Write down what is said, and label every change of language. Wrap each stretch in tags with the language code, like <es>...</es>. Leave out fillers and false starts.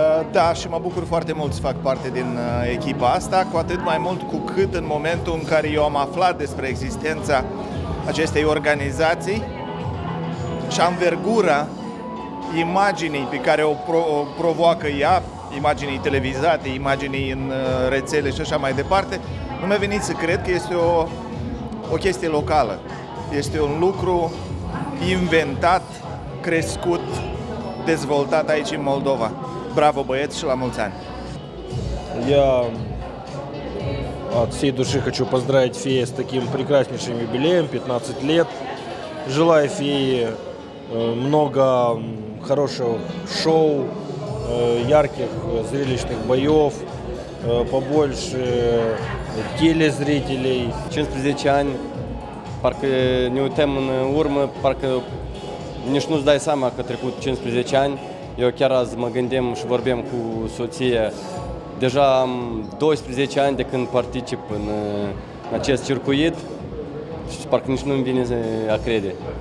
<ro>Da, și mă bucur foarte mult să fac parte din echipa asta, cu atât mai mult cu cât în momentul în care eu am aflat despre existența acestei organizații și anvergura imaginii pe care o provoacă ea, imaginii televizate, imaginii în rețele și așa mai departe, nu mi-a venit să cred că este o chestie locală. Este un lucru inventat, crescut, dezvoltat aici în Moldova. Bravo băieți și la mulți ani!</ro> <ru>Я от всей души хочу поздравить ФЕА с таким прекраснейшим юбилеем, 15 лет. Желаю ФЕА много хороших шоу, ярких зрелищных боев, побольше телезрителей.</ru> <ro>15 ani, parcă ne uităm în urmă, parcă nici nu-ți dai seama că a trecut 15 ani. Eu chiar azi mă gândim și vorbim cu soția. Deja am 12 ani de când particip în acest circuit și parcă nici nu-mi vine a crede.</ro>